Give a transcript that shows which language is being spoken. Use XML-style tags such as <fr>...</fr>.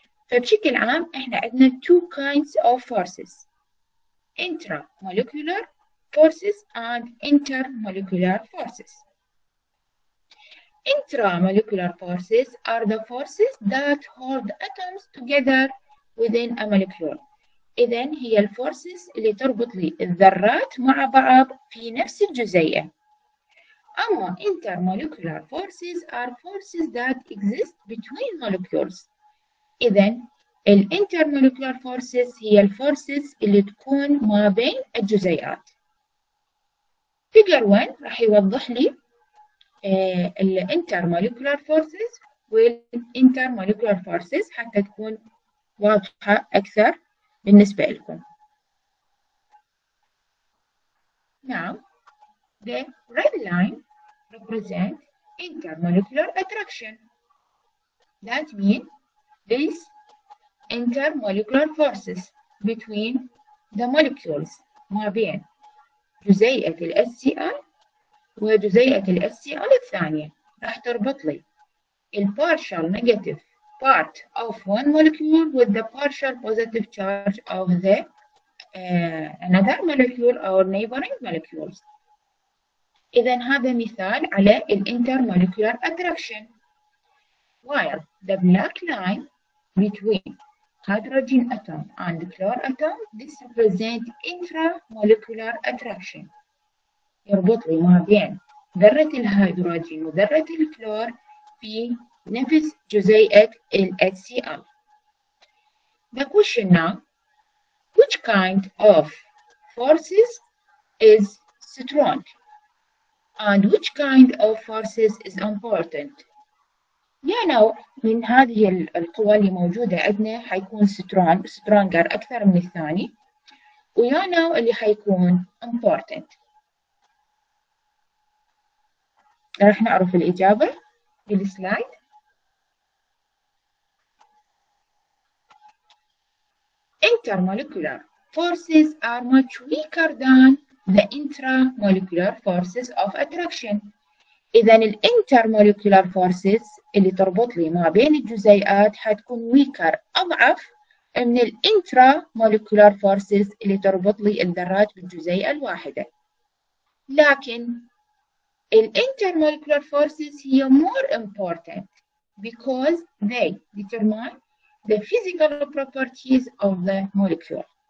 <ar>فبشكل عام احنا عندنا</ar> <en>two kinds of forces: intramolecular forces and intermolecular forces. Intramolecular forces are the forces that hold atoms together within a molecule.</en> <ar>إذا هي الفورسز اللي تربط لي الذرات مع بعض في نفس الجزيئة.</ar> <en>أما intermolecular forces are forces that exist between molecules.</en> <ar>إذا ال intermolecular forces هي الفورسز اللي تكون ما بين الجزيئات. figure 1 راح يوضح لي ال intermolecular forces وال intermolecular forces حتى تكون واضحة أكثر بالنسبة لكم.</ar> <en>Now, the red line represents intermolecular attraction. That means these intermolecular forces between the molecules</en> <ar>ما بين جزيئة الـ HCl وجزيئة الـ HCl الثانية راح تربط لي الـ</ar> <en>partial negative part of one molecule with the partial positive charge of the another molecule or neighboring molecules.</en> <ar>إذا هذا مثال على الـ intermolecular attraction.</ar> <en>While the black line between hydrogen atom and chlorine atom, this represent intramolecular attraction.</en> <ar>يربط لي ما بين ذرة الهيدروجين وذرة الكلور في نفس جزيئة ال HCl.</ar> <en>The question now, which kind of forces is strong and which kind of forces is important?</en> <ar>يعني من هذه القوى اللي موجودة عندنا حيكون سترونجر أكثر من الثاني ويعني اللي حيكون important. راح نعرف الإجابة بالسلايد.</ar> <en>Intermolecular forces are much weaker than the intramolecular forces of attraction.</en> <ar>إذا الـ intermolecular forces اللي تربط لي ما بين الجزيئات حتكون weaker أضعف من الـ intramolecular forces اللي تربط لي الذرات بالجزيئة الواحدة.</ar> <en>لكن الـ intermolecular forces هي more important because they determine the physical properties of the molecule.</en>